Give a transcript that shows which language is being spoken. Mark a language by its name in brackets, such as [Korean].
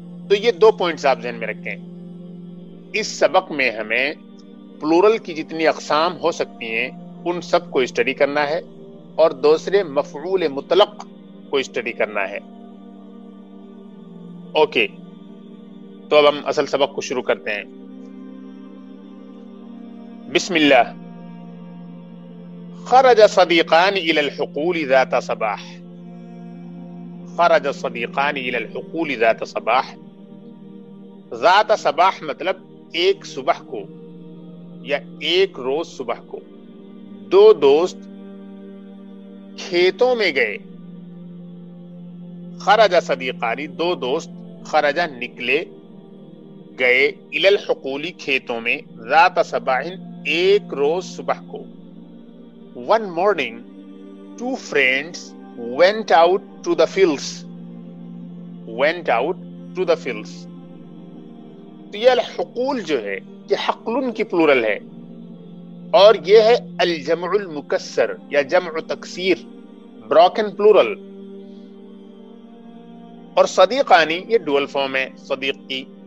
[Urdu] تو یہ دو پوائنٹس آپ ذہن میں رکھیں. اس سبق میں ہمیں پلورل کی جتنی اقسام ہو سکتی ہیں ان سب کو اسٹڈی کرنا ہے، اور دوسرے مفعول مطلق کو اسٹڈی کرنا ہے. اوکے، تو اب ہم اصل سبق کو شروع کرتے ہیں. بسم اللہ. [Arabic] خرج صدیقان الى الحقول ذات صباح. خرج صدیقان الى الحقول ذات صباح. ذات صباح [Urdu] مطلب ایک صبح کو یا ایک روز صبح کو دو دوست کھیتوں میں گئے. [Arabic] خرج صدیقان، [Urdu] دو دوست [Arabic] خرجا [Urdu] نکلے گئے، [Arabic] الى الحقول [Urdu] کھیتوں میں، [Arabic] ذات صباح [Urdu] ایک روز صبح کو. [English] One morning, two friends went out to the fields. Went out to the fields. [Urdu] تو یہ الحقول جو ہے یہ حقلن کی پلورل ہے، اور یہ ہے [Arabic] الجمع المکسر [Urdu] یا جمع تکسیر، [English] broken plural. [Urdu] اور صدیقانی یہ ڈوئل فارم ہے صدیق کی.